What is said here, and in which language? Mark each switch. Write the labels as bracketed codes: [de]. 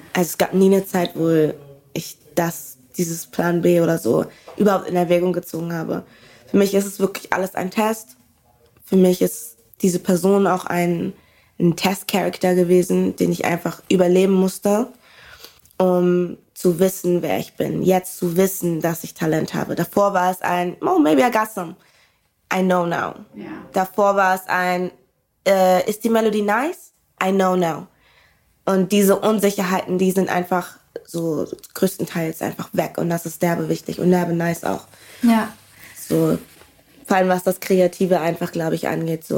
[de] Also es gab nie eine Zeit, wo ich das, dieses Plan B oder so, überhaupt in Erwägung gezogen habe. Für mich ist es wirklich alles ein Test. Für mich ist diese Person auch ein Test-Charakter gewesen, den ich einfach überleben musste, um zu wissen, wer ich bin. Jetzt zu wissen, dass ich Talent habe. Davor war es ein, oh, [en] maybe I got some. I know now. Yeah. [de] Davor war es ein, ist die Melodie nice? [en] I know now. [de] Und diese Unsicherheiten, die sind einfach so größtenteils einfach weg. Und das ist derbe wichtig und derbe nice auch. Ja. Yeah. So, vor allem was das Kreative einfach, glaube ich, angeht. So.